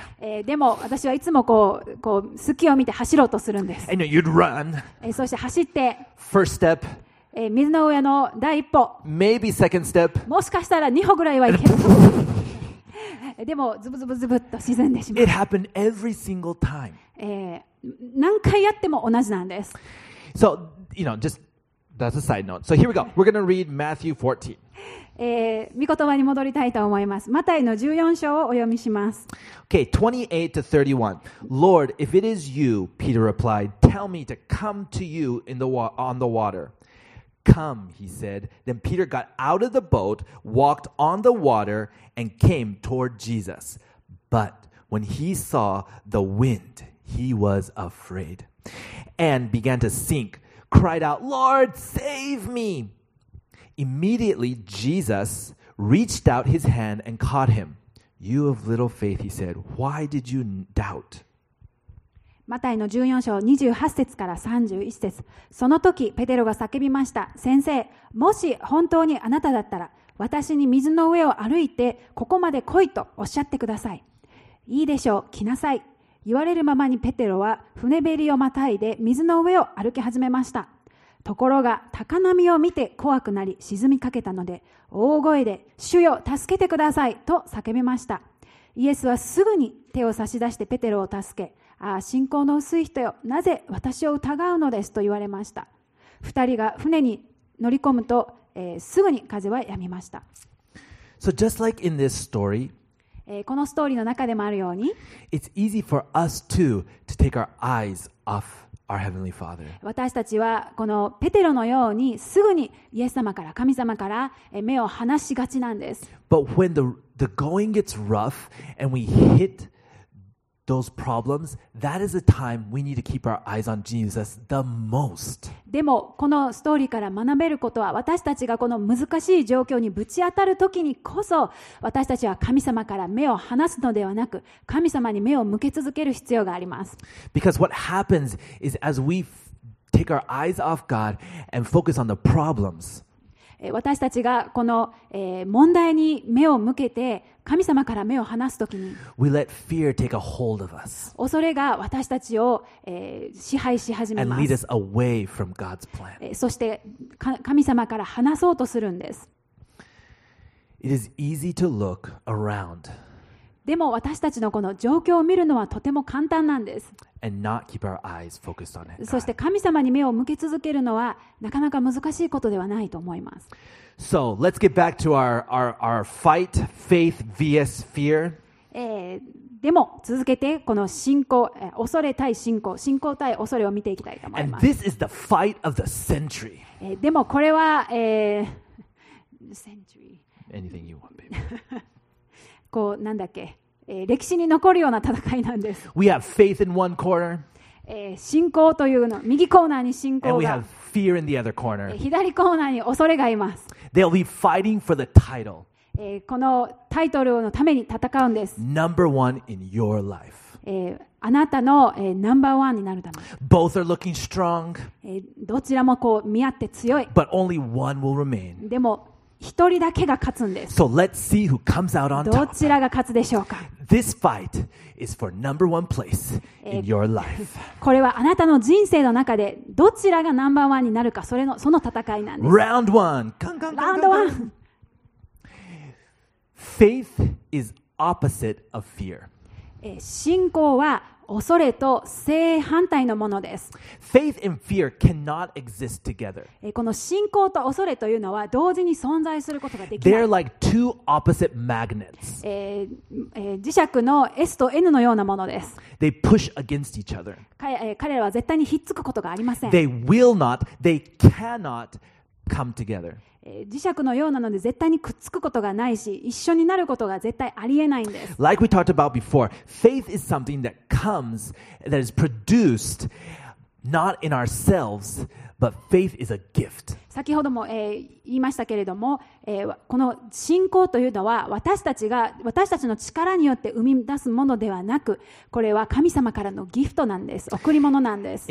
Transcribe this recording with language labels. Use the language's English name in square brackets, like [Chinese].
[Japanese] でも私はいつもこう隙を見て走ろうとするんです。 [English] And you'd run. [Japanese] そして走って [English] First step. [Japanese] 水の上の第一歩 [English] Maybe second step. [Japanese] もしかしたら二歩ぐらいはいけるでもズブズブズブっと沈んでしまう。 [English] It happened every single time. [Japanese] 何回やっても同じなんです。 [English] So, you know, just that's a side note. So here we go. We're going to read Matthew 14. [Japanese] 御言葉に戻りたいと思います。マタイの14章をお読みします。 [English] Okay, 28 to 31. Lord, if it is you, Peter replied, tell me to come to you on the water. Come, he said. Then Peter got out of the boat, walked on the water, and came toward Jesus. But when he saw the wind, he was afraid and began to sink, cried out, Lord, save me! Immediately, Jesus reached out his hand and caught him. You of little faith, he said, why did you doubt? [Japanese] マタイの14章28節から31節。その時、ペテロが叫びました。先生、もし本当にあなただったら、私に水の上を歩いてここまで来いとおっしゃってください。いいでしょう、来なさい。言われるままにペテロは船べりをまたいで水の上を歩き始めました。ところが高波を見て怖くなり沈みかけたので大声で主よ助けてくださいと叫びました。イエスはすぐに手を差し出してペテロを助け、ああ信仰の薄い人よ、なぜ私を疑うのですと言われました。二人が船に乗り込むと、すぐに風は止みました。 [English] So just like in this story, [Japanese] このストーリーの中でもあるように、 [English] It's easy for us too to take our eyes offOur Heavenly Father. [Japanese] 私たちはこのペテロのようにすぐにイエス様から神様から目を離しがちなんです。 [English] But when the going gets rough and we hit those problems, that is the time we need to keep our eyes on Jesus the most. [Japanese] でもこのストーリーから学べることは、私たちがこの難しい状況にぶち当たるときにこそ、私たちは神様から目を離すのではなく、神様に目を向け続ける必要があります。 [English] Because what happens is as we take our eyes off God and focus on the problems. [Japanese] 私たちがこの問題に目を向けて神様から目を離すときに、 [English] We let fear take a hold of us. [Japanese] 恐れが私たちを支配し始めます。 [English] And lead us away from God's plan. [Japanese] そして神様から離そうとするんです。 [English] It is easy to look around. [Japanese] でも私たちのこの状況を見るのはとても簡単なんです。 [English] And not keep our eyes focused on it. [Japanese] そして神様に目を向け続けるのはなかなか難しいことではないと思います。 [English] So, let's get back to our fight, faith vs fear. [Japanese] でも続けてこの信仰、恐れ対信仰、信仰対恐れを見ていきたいと思います。 [English] And this is the fight of the century. [Japanese] でもこれは、century. [English] Anything you want, baby. [Japanese] こうなんだっけ、歴史に残るような戦いなんです。 [English] We have faith in one corner. [Japanese] 信仰というの、右コーナーに信仰が。 [English] And we have fear in the other corner. [Japanese] 左コーナーに恐れがいます。 [English] They'll be fighting for the title. [Japanese] このタイトルのために戦うんです。 [English] Number one in your life. [Japanese] あなたの、ナンバーワンになるため。 [English] Both are looking strong. [Japanese] どちらもこう見合って強い。 [English] But only one will remain. [Japanese] でも一人だけが勝つんです。 [English] So let's see who comes out on top. [Japanese] どちらが勝つでしょうか。 [English] This fight is for number one place in your life. [Japanese] これはあなたの人生の中でどちらがナンバーワンになるか、その戦いなんです。 [English] Round one. Round one. Faith is opposite of fear. [Japanese] 信仰は恐れと正反対のものです。 [English] Faith and fear cannot exist together. [Japanese] この信仰と恐れというのは同時に存在することができない。 [English] They're like two opposite magnets. [Japanese] 磁石の S と N のようなものです。 [English] They push against each other. [Japanese] 彼らは絶対にひっつくことがありません。 [English] They will not, they cannot come together. [Japanese] 磁石のようなので絶対にくっつくことがないし、一緒になることが絶対ありえないんです。 [English] Like we talked about before, faith is something that comes, that is produced not in ourselves, but faith is a gift. [Japanese] 先ほども、言いましたけれども、この信仰というのは私たちの力によって生み出すものではなく、これは神様からのギフトなんです、贈り物なんです。